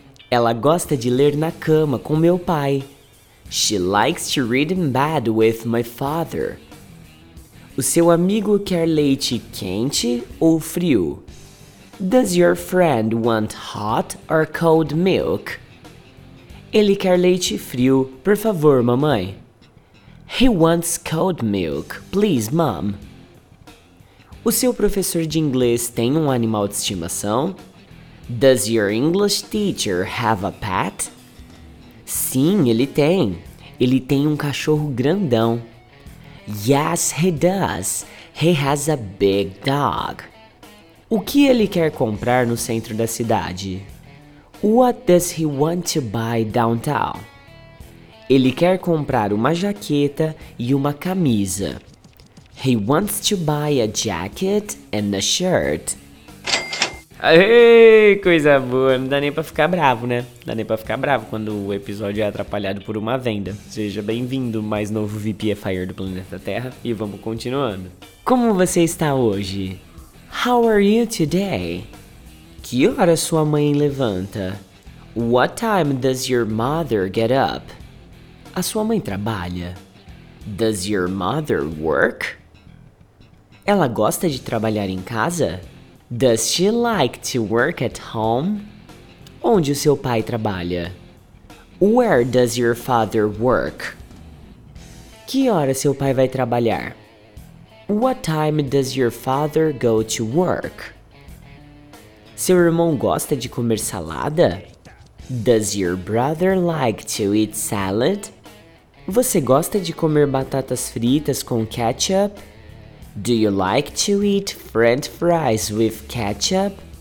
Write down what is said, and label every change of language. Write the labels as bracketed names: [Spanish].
[Portuguese] Ela gosta de ler na cama com meu pai. [English] She likes to read in bed with my father. [Portuguese] O seu amigo quer leite quente ou frio? [English] Does your friend want hot or cold milk? [Portuguese] Ele quer leite frio, por favor, mamãe. [English] He wants cold milk, please, mom. [Portuguese] O seu professor de inglês tem animal de estimação? [English] Does your English teacher have a pet? [Portuguese] Sim, ele tem. Ele tem cachorro grandão. [English] Yes, he does. He has a big dog. [Portuguese] O que ele quer comprar no centro da cidade? [English] What does he want to buy downtown? [Portuguese] Ele quer comprar uma jaqueta e uma camisa. [English] He wants to buy a jacket and a shirt. [Portuguese] Aê, coisa boa, não dá nem pra ficar bravo, né? Não dá nem pra ficar bravo quando o episódio é atrapalhado por uma venda. Seja bem-vindo, mais novo VPFIer do planeta Terra, e vamos continuando. Como você está hoje? [English] How are you today? [Portuguese] Que hora sua mãe levanta? [English] What time does your mother get up? [Portuguese] A sua mãe trabalha? [English] Does your mother work? [Portuguese] Ela gosta de trabalhar em casa? [English] Does she like to work at home? [Portuguese] Onde o seu pai trabalha? [English] Where does your father work? [Portuguese] Que hora seu pai vai trabalhar? [English] What time does your father go to work? [Portuguese] Seu irmão gosta de comer salada? [English] Does your brother like to eat salad? [Portuguese] Você gosta de comer batatas fritas com ketchup? [English] Do you like to eat French fries with ketchup?